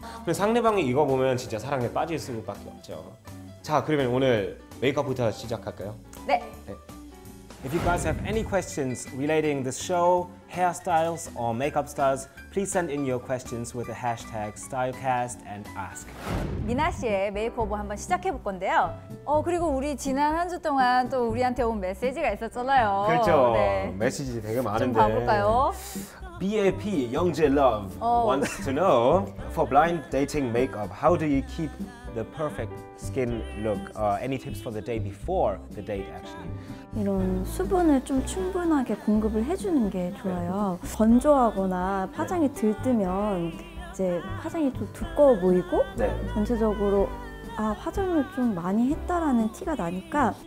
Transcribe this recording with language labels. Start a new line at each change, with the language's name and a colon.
Korean: 근데 상대방이 이거 보면 진짜 사랑에 빠질 수밖에 없죠. 자, 그러면 오늘 메이크업부터 시작할까요? 네. 네.
English: If you guys have any questions relating this show, hairstyles or makeup styles, please send in your questions with the hashtag #stylecast and ask.
Korean: 미나 씨의 메이크업을 한번 시작해 볼 건데요. 그리고 우리 지난 한 주 동안 또 우리한테 온 메시지가 있었잖아요. 그렇죠. 네. 메시지 되게 많은데. 좀 봐볼까요?
English: BAP Youngjae Love wants to know for blind dating makeup, how do you keep the perfect skin look? Any tips for the day before the date actually?
Korean: 이런 수분을 좀 충분하게 공급을 해주는 게 좋아요. 건조하거나 화장이 들뜨면 이제 화장이 좀 두꺼워 보이고 네. 전체적으로 화장을 좀 많이 했다라는 티가 나니까.